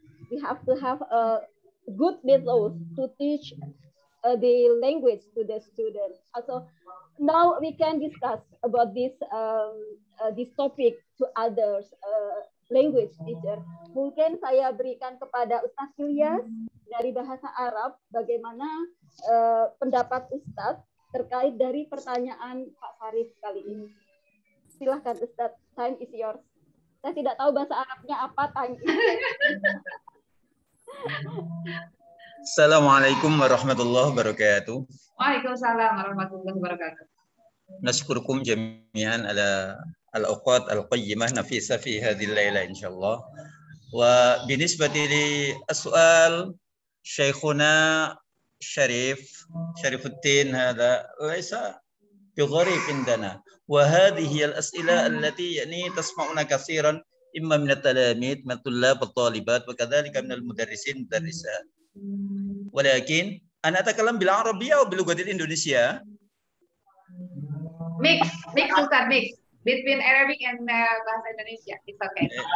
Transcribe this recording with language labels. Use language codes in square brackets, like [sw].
[en] We have to have a good method to teach the language to the students. Also, now we can discuss about this this topic to others language teacher. [id] Mungkin saya berikan kepada Ustaz Ilyas dari bahasa Arab bagaimana pendapat Ustaz terkait dari pertanyaan Pak Syarif kali ini. Silahkan Ustaz, [en] time is yours. [id] Saya tidak tahu bahasa Arabnya apa, time is [en] yours. [ar] Assalamualaikum warahmatullahi wabarakatuh. Waalaikumsalam warahmatullahi wabarakatuh. Nashkurukum jami'an ala al-awqat al-qayyimah nafisa fi hadhihi al-laila insyaallah. وبالنسبة للسؤال شيخنا شريف شريف الدين هذا ليس بغريب عندنا وهذه هي الأسئلة التي يعني تسمعنا كثيرا إما من التلاميذ من الطلاب والطالبات وكذلك من المدرسين والمدرسات ولكن أنا أتكلم بالعربية أو باللغة الإندونيسية [en] mix between Arabic and bahasa Indonesia it's okay